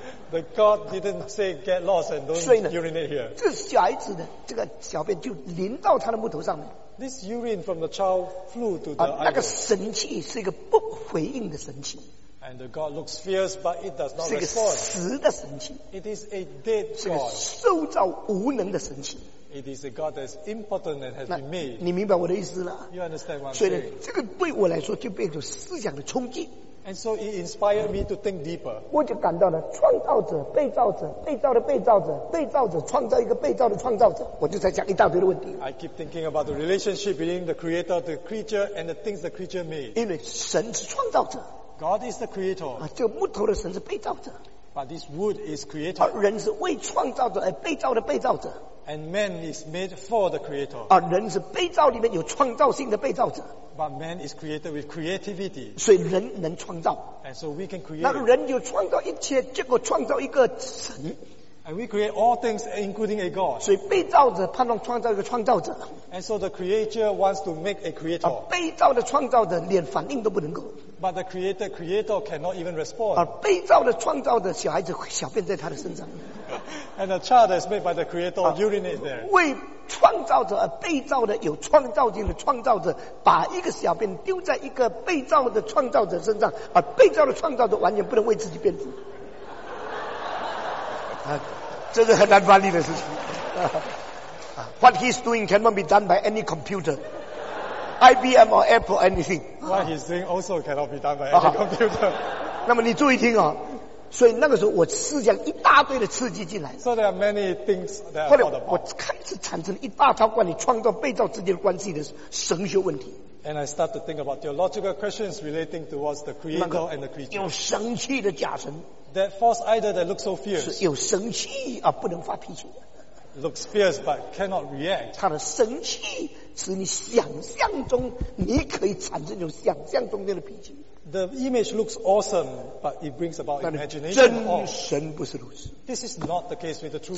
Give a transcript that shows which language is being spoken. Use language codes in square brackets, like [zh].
[en] The God didn't say get lost and don't urinate here. [zh] 这小孩子的这个小便就淋到他的木头上面。 [en] This urine from the child flew to the idols. [zh] 那个神器是一个不回应的神器。 [en] And the God looks fierce, but it does not respond. [zh] 是个死的神器。 [en] It is a dead God. [zh] 是个受造无能的神器。 [en] It is a God that is impotent and has been made. [zh] 你明白我的意思了？ [en] You understand what I'm saying? [zh] 所以这个对我来说就变成思想的冲击。 [en] And so it inspired me to think deeper. [zh] 我就感到了创造者、被造者、被造的被造者、被造者创造一个被造的创造者，我就在讲一大堆的问题。 [en] I keep thinking about the relationship between the creator, the creature, and the things the creature made. [zh] 因为神是创造者。 [en] God is the creator. [zh] 这个木头的神是被造者。 [en] But this wood is creator. [zh] 而人是为创造者而被造的被造者。 [en] And man is made for the creator. [zh] 而人是被造里面有创造性的被造者。 [en] But man is created with creativity. [zh] 所以人能创造。 [en] And so we can create. [zh] 那人就创造一切，结果创造一个神。 [en] And we create all things, including a God. [zh] 所以被造者盼望创造一个创造者。 [en] And so the creator wants to make a creator. [zh] 被造的创造者连反应都不能够。 [en] But the creator cannot even respond. [zh] 而被造的创造的小孩子小便在他的身上。 [en] And the child is made by the creator urinate there. [zh] 为创造者而被造的有创造性的创造者把一个小便丢在一个被造的创造者身上，而被造的创造者完全不能为自己辩护。这是很难翻译的事情。 [en] What he's doing cannot be done by any computer, IBM or Apple, anything. What he's doing also cannot be done by any computer. [zh] 那么你注意听哦，所以那个时候我思想一大堆的刺激进来。 [en] So there are many things that are thought about. [zh] 后来我开始产生一大套关于创造被造之间的关系的神学问题。 [en] And I start to think about theological questions relating towards the creator and the creature. [zh] 有神气的假神。 [en] That false idol that looks so fierce. [zh] 是有神气而不能发脾气的。 [en] Looks fierce but cannot react. [zh] 他的神气使你想象中你可以产生有想象中间的脾气。 [en] The image looks awesome, but it brings about imagination. [zh] 真神不是如此。 [en] This is not the case with the true God.